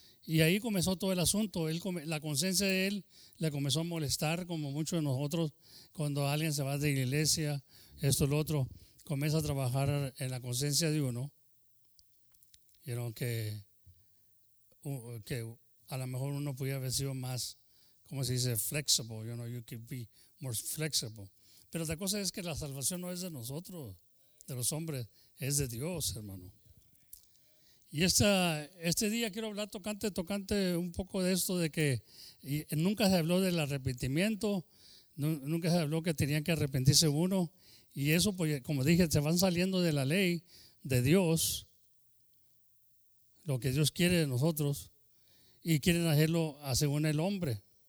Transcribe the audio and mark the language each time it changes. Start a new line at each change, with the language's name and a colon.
Spanish: Y ahí comenzó todo el asunto. La conciencia de él le comenzó a molestar, como muchos de nosotros, cuando alguien se va de la iglesia, esto o lo otro, comienza a trabajar en la conciencia de uno. Y era que a lo mejor uno podía haber sido más, ¿cómo se dice?
English: Flexible, you know, you could be more flexible.
Spanish: Pero la cosa es que la salvación no es de nosotros, de los hombres, es de Dios, hermano. Y este día quiero hablar tocante un poco de esto, de que nunca se habló del arrepentimiento, nunca se habló que tenían que arrepentirse uno, y eso, pues, como dije, se van saliendo de la ley de Dios, lo que Dios quiere de nosotros, y quieren hacerlo según el hombre.